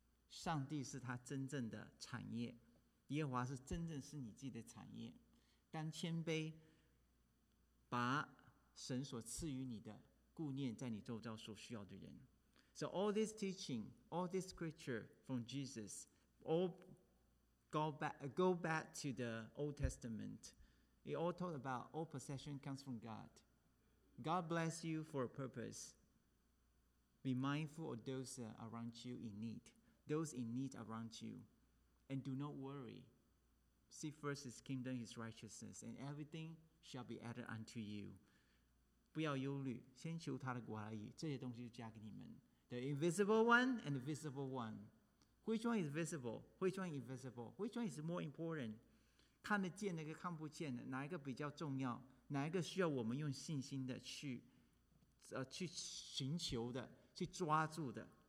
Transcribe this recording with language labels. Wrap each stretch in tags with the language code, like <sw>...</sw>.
<zh>不要忧虑，你们要先求他的国和他的义，这些东西都加给你们。所以当你看这些经文的时候，这些所有经文都是跟旧约当中是连在一起的。当主耶稣所教导这些经文的时候，这些所有经文都告诉我们一件事情：上帝是他真正的产业。耶和华是真正是你自己的产业，当谦卑，把神所赐予你的顾念在你周遭所需要的人。</zh> <en>So all this teaching, all this scripture from Jesus, all go back to the Old Testament. It all talked about all possession comes from God. God bless you for a purpose. Be mindful of those around you in need. Those in need around you. And do not worry. Seek first His kingdom, His righteousness, and everything shall be added unto you.</en> <zh>不要忧虑，先求他的国而已，这些东西就加给你们。</zh> <en>The invisible one and the visible one. Which one is visible? Which one is invisible? Which one is more important?</en> <zh>看得见的跟看不见的，哪一个比较重要？哪一个需要我们用信心的去寻求的，去抓住的？</zh>